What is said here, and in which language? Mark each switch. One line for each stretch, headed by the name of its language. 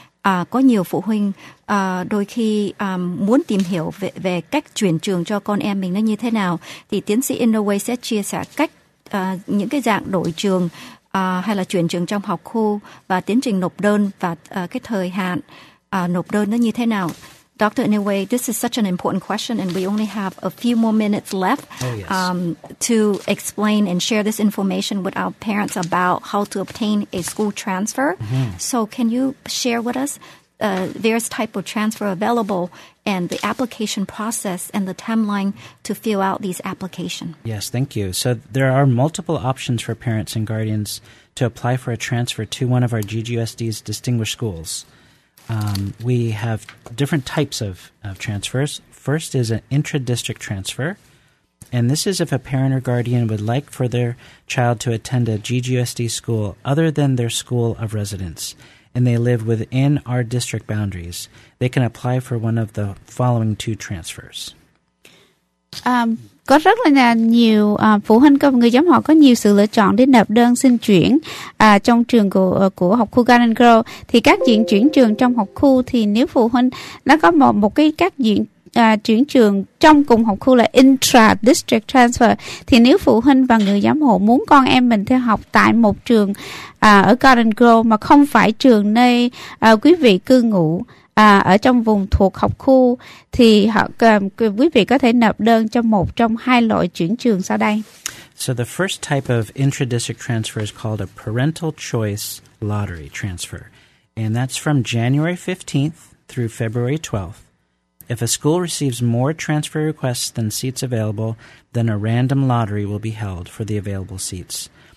Vietnamese: có nhiều phụ huynh đôi khi muốn tìm hiểu về cách chuyển trường cho con em mình nó như thế nào, thì tiến sĩ Inouye sẽ chia sẻ cách những cái dạng đổi trường hay là chuyển trường trong học khu và tiến trình nộp đơn và cái thời hạn nộp đơn nó như thế nào.
English: Dr. Inouye, this is such an important question, and we only have a few more minutes left to explain and share this information with our parents about how to obtain a school transfer. Mm-hmm. So can you share with us various type of transfer available and the application process and the timeline to fill out these applications? Yes, thank you. So there are multiple options for parents and guardians to apply for a transfer to one of our GGUSD's distinguished schools. We have different types of transfers. First is an intra-district transfer, and this is if a parent or guardian would like for their child to attend a GGUSD school other than their school of residence, and they live within our district boundaries. They can apply for one of the following two transfers.
Vietnamese: Có rất là nhiều phụ huynh của người giám họ có nhiều sự lựa chọn để nộp đơn xin chuyển trong trường của học khu Garden Grove. Thì các diện chuyển trường trong học khu, thì nếu phụ huynh nó có một cái các diện chuyển trường trong cùng học khu là intra-district transfer, thì nếu phụ huynh và người giám hộ muốn con em mình theo học tại một trường ở Garden Grove mà không phải trường nơi quý vị cư ngụ ở trong vùng thuộc học khu, thì quý vị có thể nộp đơn cho một trong hai loại chuyển trường sau đây.
English: So the first type of intra-district transfer is called a parental choice lottery transfer, and that's from January 15th through February 12th. If a school receives more transfer requests than seats available, then a random lottery will be held for the available seats.